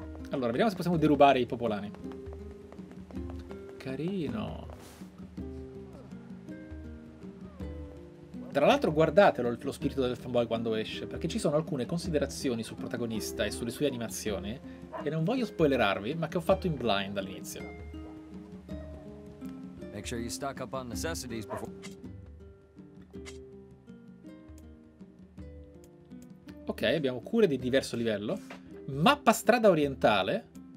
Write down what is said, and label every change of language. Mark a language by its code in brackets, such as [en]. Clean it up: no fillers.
[it] Allora, vediamo se possiamo derubare i popolani. Carino. Tra l'altro, guardatelo lo spirito del fanboy quando esce, perché ci sono alcune considerazioni sul protagonista e sulle sue animazioni che non voglio spoilerarvi, ma che ho fatto in blind all'inizio. [en] Make sure you stock up on necessities before... [it] Ok, abbiamo cure di diverso livello. Mappa strada orientale.